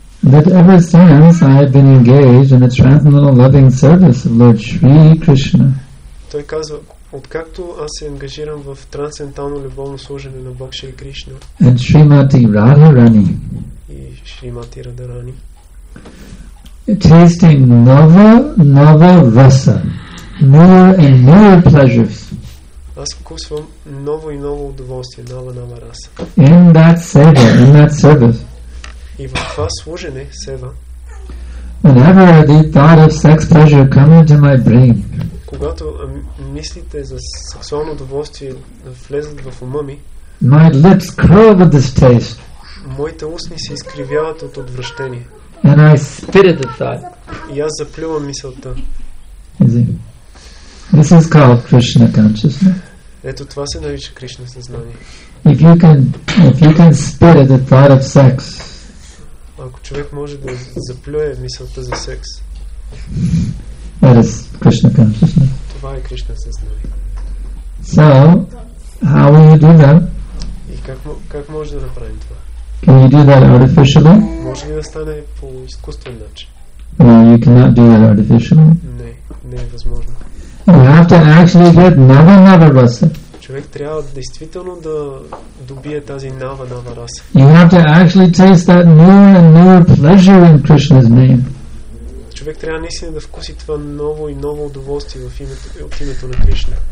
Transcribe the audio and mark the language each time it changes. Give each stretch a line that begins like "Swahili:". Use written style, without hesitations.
English: That ever since I have been engaged in the transcendental loving service of Lord Shri Krishna.
Bulgarian: Той казва, откакто аз се ангажирам в трансцендентално любовно служение на Бог Шри Кришна.
English: And Shrimati Radharani.
Bulgarian: И Шримати Радарани.
English: Tasting nova rasa, newer and newer pleasures.
Bulgarian: Аз вкусвам ново и ново удоволствие, нова раса.
English: In that seva, in that service.
Bulgarian: И в това служене, сева.
English: Whenever the thought of sex pleasure comes into my brain.
Bulgarian: Когато мислите за сексуално удоволствие влезат в ума ми.
English: My lips curl with distaste.
Bulgarian: Моите устни се изкривяват от отвращение.
English: And I spit at the thought.
Bulgarian: И аз заплювам мисълта.
English: This is called Krishna consciousness.
Bulgarian: Ето това се нарича Кришна съзнание.
English: If you can spit at the thought of sex.
Bulgarian: Ако човек може да заплюе мисълта за секс.
English: That is Krishna consciousness.
Bulgarian: Това е Кришна съзнание.
English: So, how will you do that?
Bulgarian: И как може да направим това?
English: Can you do that artificially?
Bulgarian: Може ли да стане по изкуствен начин?
English: No, you cannot do that artificially.
Bulgarian: Не е възможно.
English: You have to actually get nava rasa.
Bulgarian: Човек трябва действително да добие тази нава раса.
English: You have to actually taste that newer and newer pleasure in Krishna's name.
Bulgarian: Човек трябва наистина да вкуси това ново и ново удоволствие в името на Кришна.